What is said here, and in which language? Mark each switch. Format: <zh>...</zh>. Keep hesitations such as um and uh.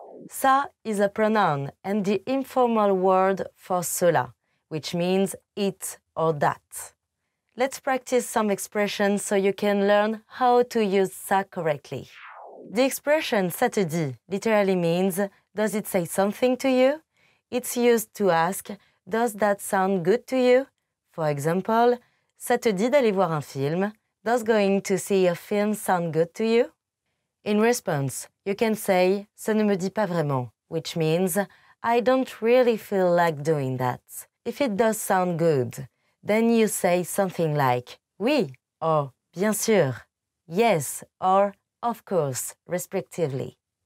<en>Sa is a pronoun and the informal word for cela, which means it or that. Let's practice some expressions so you can learn how to use sa correctly. The expression ça te dit literally means does it say something to you? It's used to ask does that sound good to you? For example,</en> <fr>ça te dit d'aller voir un film?</fr> <en>Does going to see a film sound good to you? In response, you can say,</en> <fr>ça ne me dit pas vraiment,</fr> <en>which means, I don't really feel like doing that. If it does sound good, then you say something like, oui, or bien sûr, yes, or of course, respectively.</en>